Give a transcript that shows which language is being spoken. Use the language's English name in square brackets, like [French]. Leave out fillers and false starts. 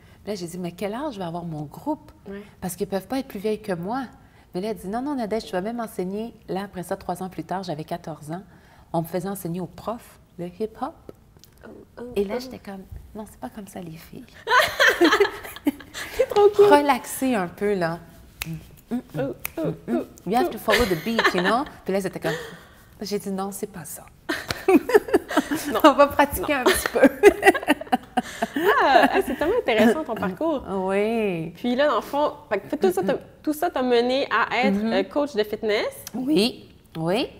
[French] Puis là, j'ai dit, mais quel âge je vais avoir mon groupe? Ouais. Parce qu'ils ne peuvent pas être plus vieilles que moi. Mais là, elle dit, non, Nadège, tu vas même enseigner. Là, après ça, 3 ans plus tard, j'avais 14 ans, on me faisait enseigner au prof le hip-hop. Et là, j'étais comme, non, c'est pas comme ça, les filles. C'est trop cool. Relaxer un peu, là. [English] You have to follow the beat, you know? [French] Puis là, j'étais comme, j'ai dit, non, c'est pas ça. Non. On va pratiquer un petit peu. C'est tellement intéressant ton parcours. Oui. Puis là, dans le fond, tout ça t'a mené à être coach de fitness. Oui, oui.